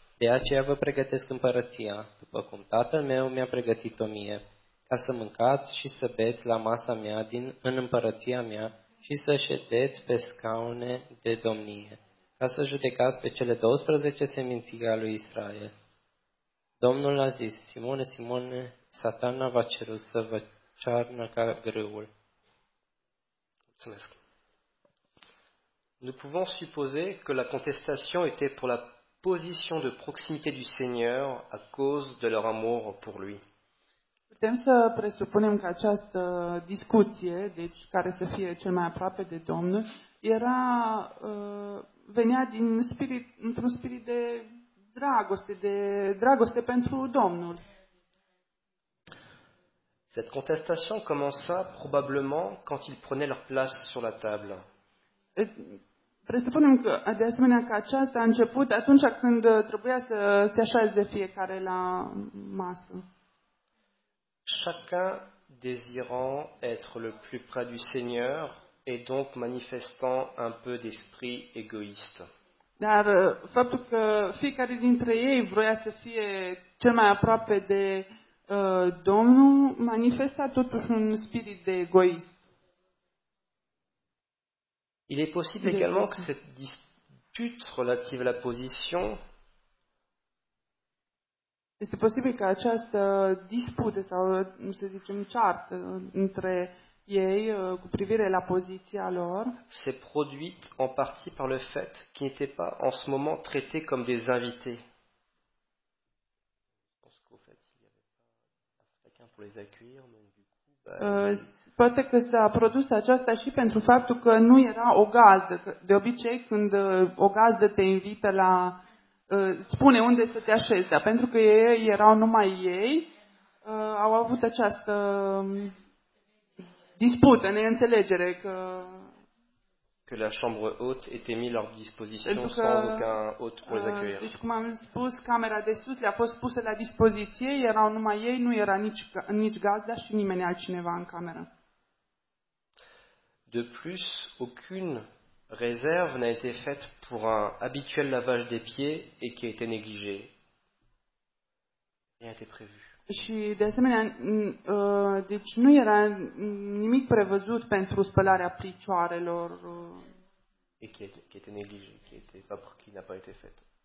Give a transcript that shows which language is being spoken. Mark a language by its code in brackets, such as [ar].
[ro] De aceea vă pregătesc împărăția, după cum tatăl meu mi-a pregătit-o mie, ca să mâncați și să beți la masa mea în împărăția mea și să ședeți pe scaune de domnie, ca să judecați pe cele 12 seminții ale lui Israel. Domnul a zis: Simone, Simone, Satana v-a cerut să vă cearnă ca grâul. Mulțumesc. [fr] Nous pouvons supposer que la contestation était pour la position de proximité du Seigneur à cause de leur amour pour lui. [ro] Putem să presupunem că această discuție, deci care să fie cel mai aproape de Domnul, era venea din spirit, într-un spirit de dragoste, de dragoste pentru Domnul. [fr] Cette contestation commença probablement quand ils prenaient leur place sur la table. [ro] Presupunem că, de asemenea, că aceasta a început atunci când trebuia să se așeze fiecare la masă. [fr] Chacun désirant être le plus près du Seigneur et donc manifestant un peu d'esprit égoïste. [ro] Dar faptul că fiecare dintre ei vroia să fie cel mai aproape de Domnul manifesta totuși un spirit de egoism. [fr] Il est possible également que cette dispute relative à la position. [ro] Este posibil ca această dispută sau, să zicem, ceartă între ei cu privire la poziția lor. [fr] S'est produite en partie par le fait qu'ils n'étaient pas en ce moment traités comme des invités. Je pense qu'au fait, il n'y avait pas quelqu'un pour les accueillir, donc du coup. [ro] Poate că s-a produs aceasta și pentru faptul că nu era o gazdă. De obicei, când o gazdă te invită la... spune unde să te așezi, dar pentru că ei erau numai ei, au avut această dispută, neînțelegere că... [fr] Que la chambre haute était mise à leur disposition sans aucun autre pour les accueillir. [ro] Deci, cum am spus, camera de sus le-a fost pusă la dispoziție, erau numai ei, nu era nici gazda și nimeni altcineva în cameră. [fr] De plus, aucune réserve n'a été faite pour un habituel lavage des pieds et qui a été négligé. Rien n'était prévu. [ro] Și de asemenea, deci nu era nimic prevăzut pentru spălarea picioarelor. [fr] Et qui a été négligé, qui était pas, qui n'a pas été faite.